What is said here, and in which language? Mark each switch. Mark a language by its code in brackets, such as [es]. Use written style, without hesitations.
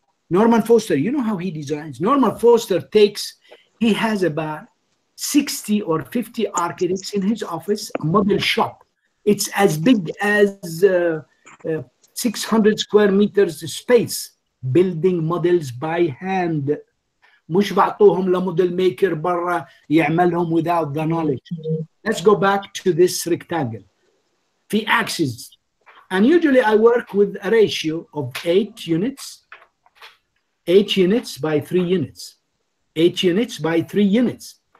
[en] Norman Foster, you know how he designs? Norman Foster takes, he has about 60 or 50 architects in his office, a model shop. It's as big as 600 square meters space, building models by hand. [ar] مش بعطوهم لموديل ميكر برا يعملهم [en] without the knowledge. Let's go back to this rectangle. في axes. And usually I work with a ratio of 8 units. 8 units by 3 units. 8 units by 3 units.